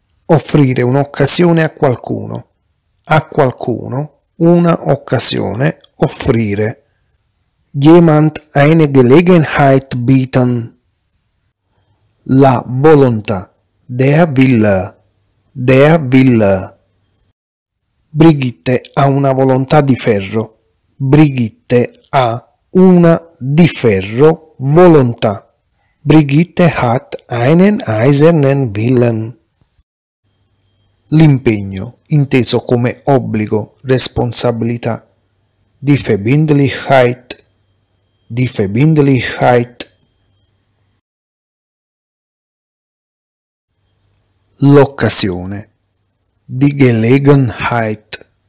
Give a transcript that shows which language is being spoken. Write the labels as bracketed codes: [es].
[it] Offrire un'occasione a qualcuno. A qualcuno, una occasione, offrire. [de] Jemand eine Gelegenheit bieten. [it] La volontà. [de] Der Wille. Der Wille. [it] Brigitte ha una volontà di ferro. Brigitte ha una di ferro volontà. [de] Brigitte hat einen eisernen Willen. [it] L'impegno, inteso come obbligo, responsabilità. [de] Die Verbindlichkeit. Die Verbindlichkeit. [it] L'occasione. [de] Die Gelegenheit.